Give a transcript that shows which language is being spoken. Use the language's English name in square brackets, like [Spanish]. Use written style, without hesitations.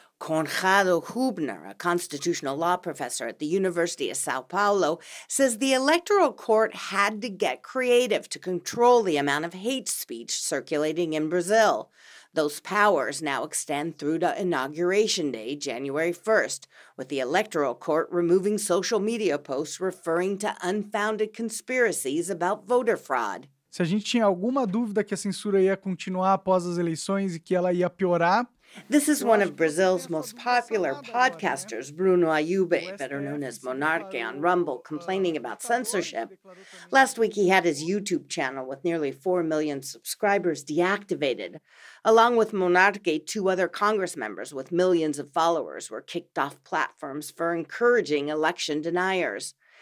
[English] Conrado Hubner, a constitutional law professor at the University of Sao Paulo, says the electoral court had to get creative to control the amount of hate speech circulating in Brazil. Those powers now extend through to Inauguration Day, January 1st, with the electoral court removing social media posts referring to unfounded conspiracies about voter fraud. [Portuguese] Se a gente tinha alguma dúvida que a censura ia continuar após as eleições e que ela ia piorar, [English] this is one of Brazil's most popular podcasters, Bruno Ayube, better known as Monarque on Rumble, complaining about censorship. Last week, he had his YouTube channel with nearly 4 million subscribers deactivated. Along with Monarque, two other Congress members with millions of followers were kicked off platforms for encouraging election deniers.